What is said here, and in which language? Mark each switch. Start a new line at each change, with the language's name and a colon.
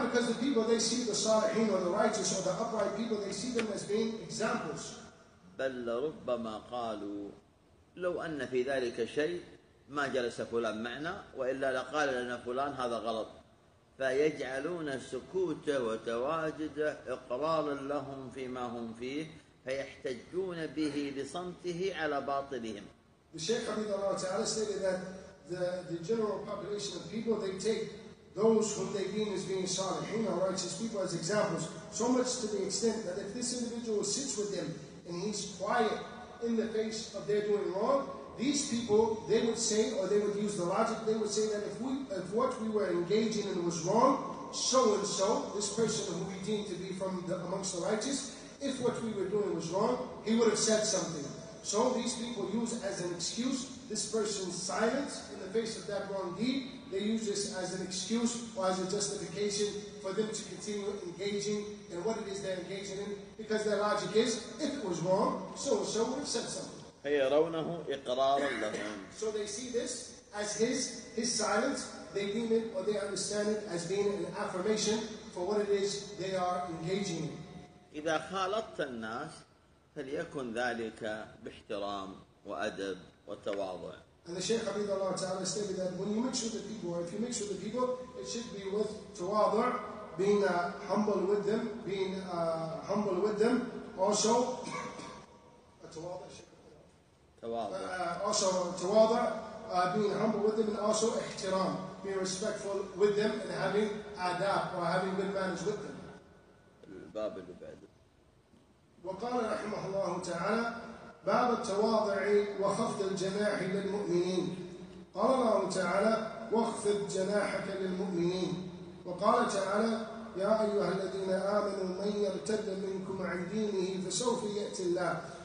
English: Because the people, they see the salihin or the righteous or the upright people, they see them as being examples.
Arabic: بل ربما قالوا لو أن في ذلك شيء ما جلس فلان معنا وإلا لقال لنا فلان هذا غلط. ف فيجعلون سكوته وتواجده إقرارا لهم فيما هم فيه فيحتجون به لصمته على باطلهم. الشيخ حميد الله تعالى
English: said that the general population of people, they take those whom they deem as being salihin or righteous people as examples, so much to the extent that if this individual sits with them and he's quiet in the face of their doing wrong, these people, they would say, or they would use the logic, they would say that if what we were engaging in was wrong, so-and-so, this person who we deem to be from the, amongst the righteous, if what we were doing was wrong, he would have said something. So these people use as an excuse this person's silence in the face of that wrong deed. They use this as an excuse or as a justification for them to continue engaging in what it is they're engaging in, because their logic is, if it was wrong, so-and-so would have said something.
Arabic: فيرونه إقرارا لهم.
English: So they see this as his silence. They deem it or they understand it as being an affirmation for what it is they are engaging in.
Arabic: إذا خالطت الناس فليكن ذلك باحترام وأدب وتواضع.
English: And the Shaykh Abid Allah Ta'ala stated that when you mix with the people, or if you mix with the people, it should be with تواضع, being humble with them, being humble with them. Also, تواضع. Also, تواضع, being humble with them, and also احترام, being respectful with them, and having آداب, or having good manners with them.
Arabic: الباب اللي بعده. وقال رحمه الله تعالى باب التواضع وخفض الجناح للمؤمنين. قال الله تعالى واخفض جناحك للمؤمنين. وقال تعالى يا أيها الذين آمنوا من يرتد منكم عن دينه فسوف يأتي الله.